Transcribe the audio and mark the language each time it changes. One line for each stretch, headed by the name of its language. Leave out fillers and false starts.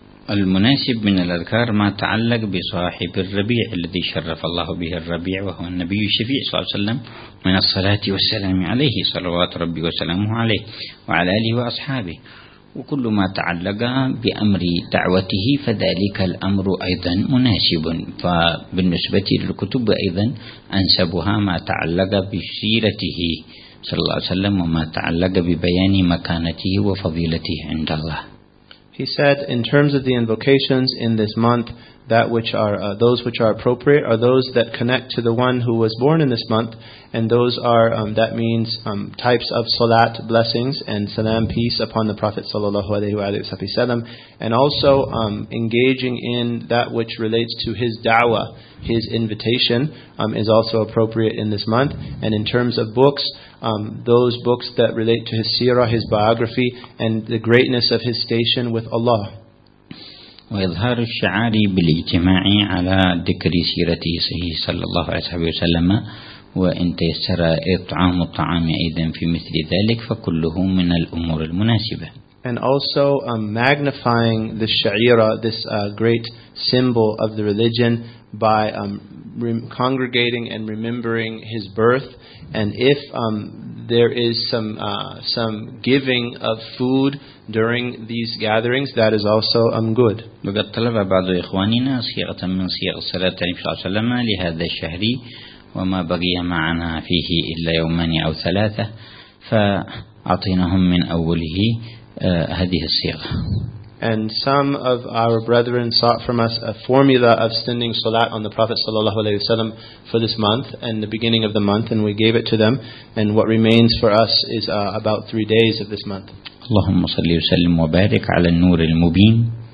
Arabic: المناسب من الأذكار ما تعلق بصاحب الربيع الذي شرف الله به الربيع وهو النبي الشفيع صلى الله عليه وسلم من الصلاة والسلام عليه صلوات ربي وسلامه عليه وعلى آله وأصحابه وكل ما تعلق بأمر دعوته فذلك الأمر أيضا مناسب. فبالنسبة للكتب أيضا أنسبها ما تعلق بسيرته صلى الله عليه وسلم وما تعلق ببيان مكانته وفضيلته عند الله.
English: He said, in terms of the invocations in this month, that which are those which are appropriate are those that connect to the one who was born in this month, and those are that means types of salat blessings and salam peace upon the Prophet sallallahu alaihi wasallam, and also engaging in that which relates to his da'wah, his invitation, is also appropriate in this month. And in terms of books, those books that relate to his seerah, his biography, and the greatness of his station with Allah.
Arabic: وإظهار الشعار بالاجتماع على ذكر سيرته صلى الله عليه وسلم وإن تيسر إطعام الطعام أيضا في مثل ذلك فكله من الأمور المناسبة.
English: And also magnifying the Sha'ira, this great symbol of the religion, by congregating and remembering his birth. And if there is some giving of food during these gatherings, that is also good.
Arabic: وقد طلب بعض إخواننا صيغة من صيغ صلاة النبي صلى الله عليه وسلم لهذا الشهر وما بقي معنا فيه إلا يومان أو ثلاثة فأعطيناهم من أوله هذه الصيغة.
English: And some of our brethren sought from us a formula of sending salat on the Prophet ﷺ for this month and the beginning of the month, and we gave it to them. And what remains for us is about 3 days of this month.
Arabic: Allahumma salli wa sallim wa barik ala al-nur al-mubin.